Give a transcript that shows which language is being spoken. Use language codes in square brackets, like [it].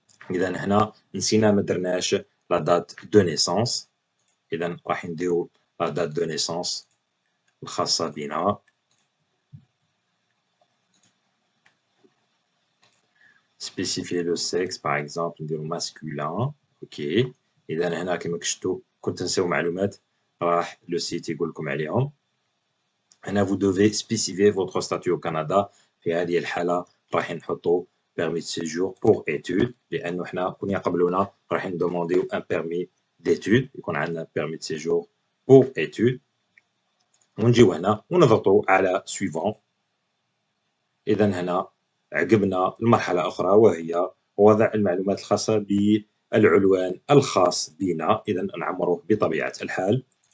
[ar] اذا هنا نسينا ما درناش لا دات دو نيسونس، اذا راح نديرو لا دات دو نيسونس الخاصه بنا. سبيسيفيي لو سيكس باغ اكزومبل، نديرو ماسكولان. اوكي، اذا هنا كيما كشتو كنت نساو معلومات راح لو سيت يقول لكم عليهم. [fr] هنا vous devez spécifier votre statut au Canada. [ar] في هذه الحالة راح نحطو [fr] permis de séjour pour études، [ar] لأنه إحنا كنا قبلنا راح ندوموندي [fr] un permis d'études، [ar] يكون عندنا permis de séjour pour études. ونجيو هنا ونضغطو على suivant. إذا هنا عقبنا المرحلة أخرى وهي وضع المعلومات الخاصة بالعنوان الخاص بنا، إذا نعمروه بطبيعة الحال.